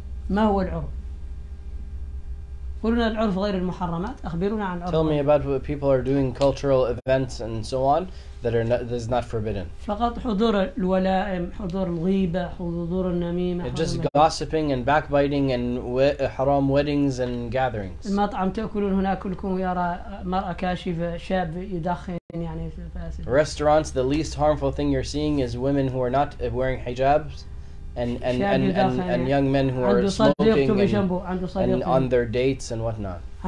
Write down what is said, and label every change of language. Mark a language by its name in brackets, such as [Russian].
[Arabic] ما هو العرف؟ قلنا العرف غير المحرمات. أخبرونا عن العرف. [English] Tell me about what people are doing, cultural events and so on that is not forbidden. [Arabic] فقط حضور الولائم, حضور الغيبة, حضور النميمة. [English] Just gossiping and backbiting and haram weddings and gatherings. [Arabic] المطعم تأكلون هناك كلكم يرى مرأة كاشفة شاب يدخن. [English] Restaurants, the least harmful thing you're seeing is women who are not wearing hijabs and young men who are smoking and on their dates and whatnot.